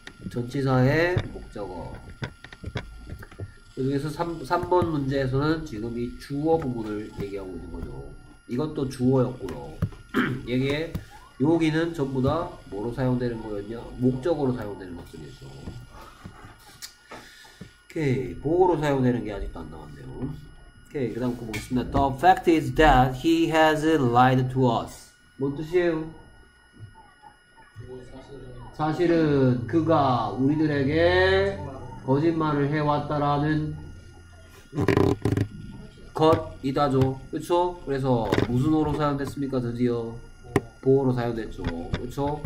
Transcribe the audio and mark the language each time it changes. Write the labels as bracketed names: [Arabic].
[Korean] 전치사의 목적어. 여기서 3번 문제에서는 지금 이 주어 부분을 얘기하고 있는 거죠. 이것도 주어였고요. 여기에 여기는 전부 다 뭐로 사용되는 거였냐? 목적으로 사용되는 것들이었어. 오케이, 보고로 사용되는 게 아직도 안 나왔네요. 오케이, 그 다음 거 보겠습니다. [English] The fact is that he has lied to us. [Korean] 뭔 뜻이에요? 사실은 그가 우리들에게 거짓말을 해왔다라는 것이다죠. 그쵸? 그래서 무슨 어로 사용됐습니까? 드디어 보어로 사용됐죠. 그쵸?